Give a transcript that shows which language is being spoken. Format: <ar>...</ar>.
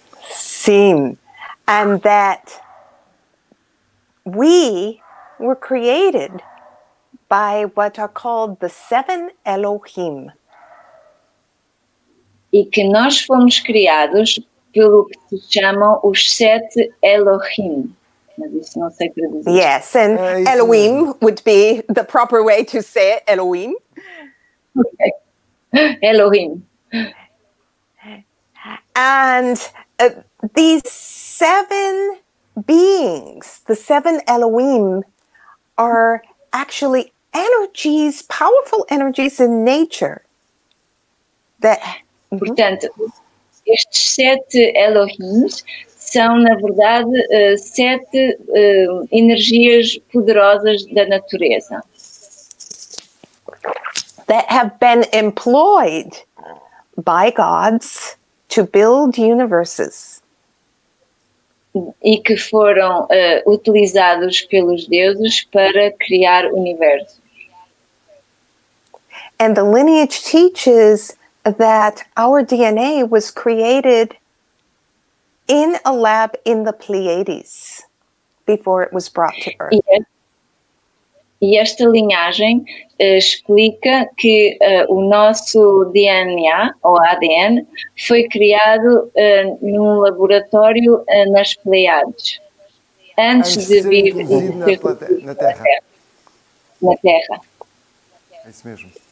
<en>Sim, and that we were created by what are called the seven Elohim.</en> <pt>E que nós fomos criados pelo que se chamam os sete Elohim. Mas isso não sei traduzir.</pt> <en>Yes, and Elohim would be the proper way to say it, Elohim. Okay. Elohim. And these seven beings, the seven Elohim, are actually energies, powerful energies in nature. That, mm-hmm.</en> <pt>Portanto, estes sete Elohims são, na verdade, sete energias poderosas da natureza.</pt> <en>That have been employed by gods to build universes.</en> <pt>E que foram utilizados pelos deuses para criar universos.</pt> <en>And the lineage teaches that our DNA was created in a lab in the Pleiades before it was brought to Earth.</en> <pt>E esta linhagem explica que o nosso DNA, ou ADN, foi criado num laboratório nas Pleiades, antes de vir na Terra. É isso mesmo.</pt>